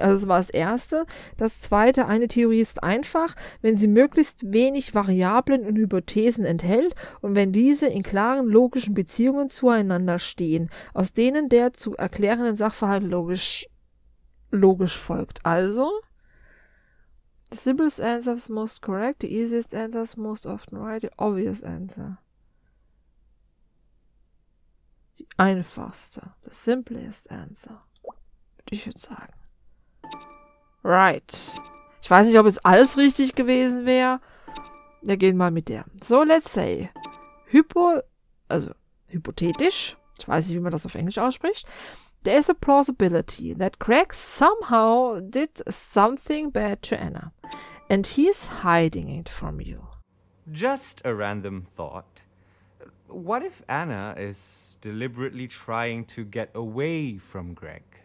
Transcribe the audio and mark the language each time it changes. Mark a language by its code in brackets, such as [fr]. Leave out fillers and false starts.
[de] Also das war das Erste. Das Zweite, eine Theorie ist einfach, wenn sie möglichst wenig Variablen und Hypothesen enthält und wenn diese in klaren logischen Beziehungen zueinander stehen, aus denen der zu erklärenden Sachverhalt logisch folgt. [en] Also, the simplest answer is most correct, the easiest answer is most often right, the obvious answer. [de] Die einfachste, [en] the simplest answer, [de] würde ich jetzt sagen. [en] Right. [de] Ich weiß nicht, ob es alles richtig gewesen wäre. Wir gehen mal mit der. [en] So, let's say. [de] Hypothetisch, ich weiß nicht, wie man das auf Englisch ausspricht. [en] There is a plausibility that Greg somehow did something bad to Anna. And he's hiding it from you. Just a random thought. What if Anna is deliberately trying to get away from Greg?